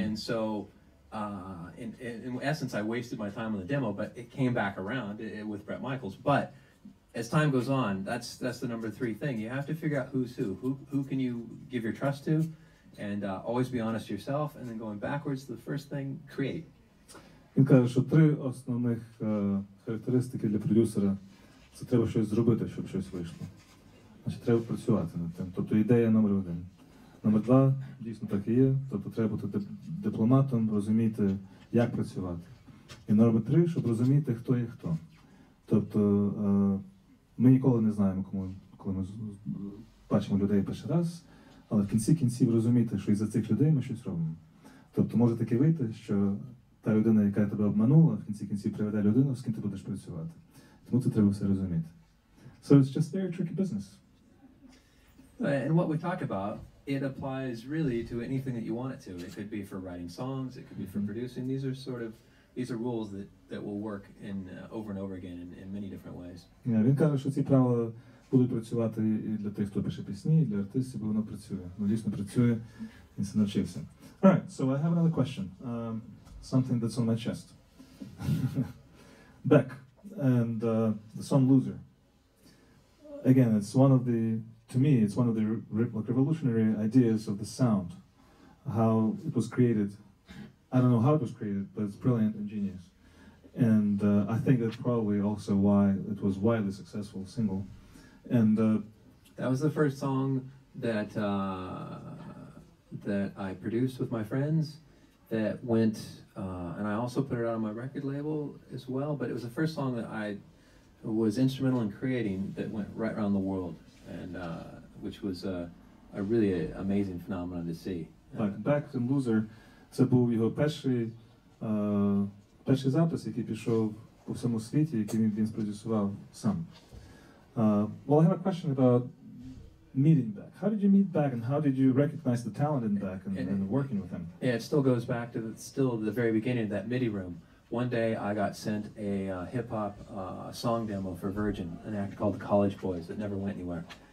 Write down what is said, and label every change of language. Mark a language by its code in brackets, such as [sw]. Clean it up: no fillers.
[en] And so, in essence, I wasted my time on the demo, but it came back around with Brett Michaels. But as time goes on, that's the number three thing. You have to figure out who's who. Who can you give your trust to? And always be honest yourself. And then going backwards, the first thing, create. [uk] Він каже, що три основних характеристики для продюсера – це треба щось зробити, щоб щось вийшло. Значить, треба працювати над тим. Тобто ідея номер один. Номер два – дійсно так і є. Тобто треба бути дипломатом, розуміти, як працювати. І номер три – щоб розуміти, хто є хто. Тобто ми ніколи не знаємо, коли ми бачимо людей перший раз, але в кінці кінців розуміти, що із-за цих людей ми щось робимо. Тобто може таке вийти, що та людина, яка тебе обманула, в кінці кінців приведе людину, з ким ти будеш працювати. Тому це треба все розуміти. [en] So it's just very tricky business. And what we talk about, it applies really to anything that you want it to. It could be for writing songs, it could be for producing. These are sort of, these are rules that will work in over and over again in many different ways. [uk] Yeah, він каже, що ці правила будуть працювати і для тих, хто пише пісні, і для артистів, бо воно працює. Воно дійсно працює, він це навчився. [en] All right, so I have another question. Something that's on my chest. Beck and the song Loser. Again, it's one of the, to me, it's one of the revolutionary ideas of the sound, how it was created. I don't know how it was created, but it's brilliant and genius. And I think that's probably also why it was widely successful single. And that was the first song that I produced with my friends that went, and I also put it out on my record label as well, but it was the first song that I was instrumental in creating that went right around the world, and which was a really amazing phenomenon to see. Back to Loser. [uk] Це був його перший запис, який пішов по всьому світі, який він спродюсував сам. [en] Well, I have a question about meeting Beck. How did you meet Beck, and how did you recognize the talent in Beck and working with him? Yeah, it still goes back to the very beginning of that MIDI room. One day I got sent a hip-hop song demo for Virgin, an act called the College Boys that never went anywhere.